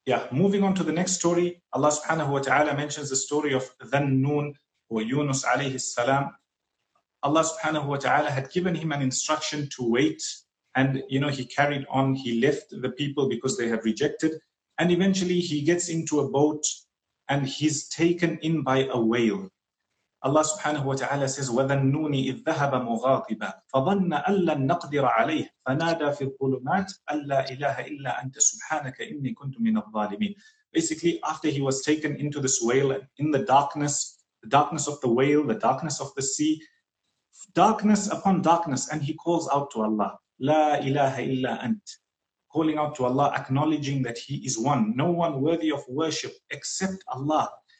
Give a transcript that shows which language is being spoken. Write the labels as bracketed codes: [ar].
[en] Moving on to the next story. Allah subhanahu wa ta'ala mentions the story of Dhannun or Yunus alayhi salam. Allah subhanahu wa ta'ala had given him an instruction to wait. And, you know, he carried on, he left the people because they have rejected. And eventually he gets into a boat and he's taken in by a whale. Allah subhanahu wa ta'ala says, [ar] وَذَنُّونِ إِذْ ذَهَبَ مُغَاطِبًا فَظَنَّ أَلَّا نَقْدِرَ عَلَيْهِ فَنَادَى فِي الظُّلُمَاتِ أَلَّا إِلَهَ إِلَّا أَنْتَ سُبْحَانَكَ إِنِّي كُنْتُ مِنَ الظَّالِمِينَ. [en] Basically, after he was taken into this whale, in the darkness of the whale, the darkness of the sea, darkness upon darkness, and he calls out to Allah, [ar] لَا إِلَهَ إِلَّا أَنْتَ, [en] calling out to Allah, acknowledging that He is one, no one worthy of worship except Allah.